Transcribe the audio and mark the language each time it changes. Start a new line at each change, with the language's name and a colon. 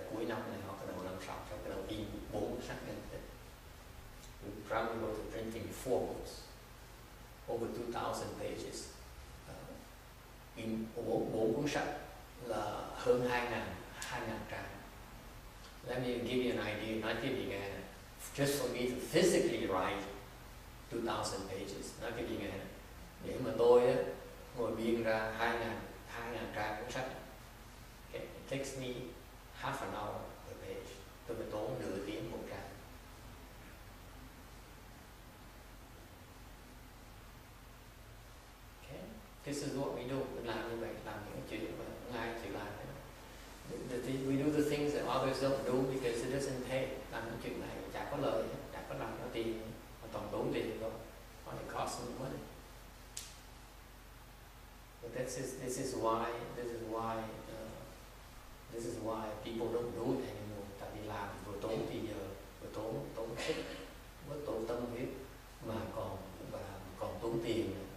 Vietnamese: Chắc là cuối năm này họ bắt đầu làm xong, họ bắt đầu in bốn sách lên.
English: We probably go to printing four books, over 2,000 pages.
Vietnamese: In bốn cuốn sách là hơn 2,000 trang.
English: Let me give you an idea.
Vietnamese: Nói cho chị nghe,
English: just for me to physically write 2,000 pages,
Vietnamese: nói cho chị nghe, để mà tôi ngồi biên ra 2,000 trang cuốn sách, okay.
English: It takes me half an hour per page.
Vietnamese: Tôi phải tốn nửa tiếng một trang.
English: This is what we do.
Vietnamese: Mình làm như vậy, làm những chuyện mà ngay chỉ làm.
English: We do the things that others don't do because it doesn't pay.
Vietnamese: Làm những chuyện này chả có lời, chả có làm có tiền, mà toàn tốn tiền thôi.
English: Only cost some money. But this is why people don't do it anymore.
Vietnamese: Tại vì làm vừa tốn thì giờ, vừa tốn sức, vừa tốn tâm huyết, mà còn tốn tiền.